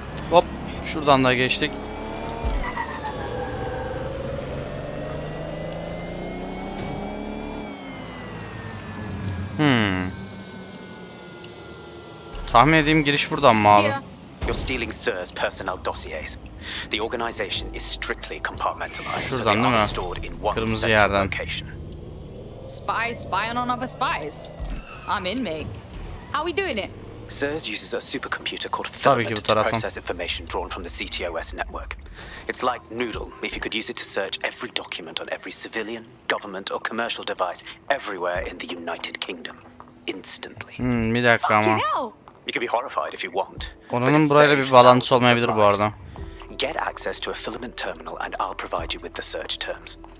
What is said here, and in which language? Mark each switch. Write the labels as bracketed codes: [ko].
[tr] Hop. Şuradan da geçtik. Tahmin edeyim giriş buradan mı abi? [en] You're stealing Sir's personnel dossiers. The organization is strictly compartmentalized. [tr] Şuradan değil mi? Kırmızı yerden. [en] Spies spying on other spies. I'm in, mate. How we doing it? Sirs uses a supercomputer called Thermit to process information drawn from the CTOS network. It's like Noodle if you could use it to search every document on every civilian, government or commercial device everywhere in the United Kingdom instantly. [tr] Hmm, bir dakika ama. [en] You could be horrified if you want. [tr] Onun burayla bir bağlantısı olmayabilir bu arada. [en] Get access to a filament terminal and I'll provide you with the search terms.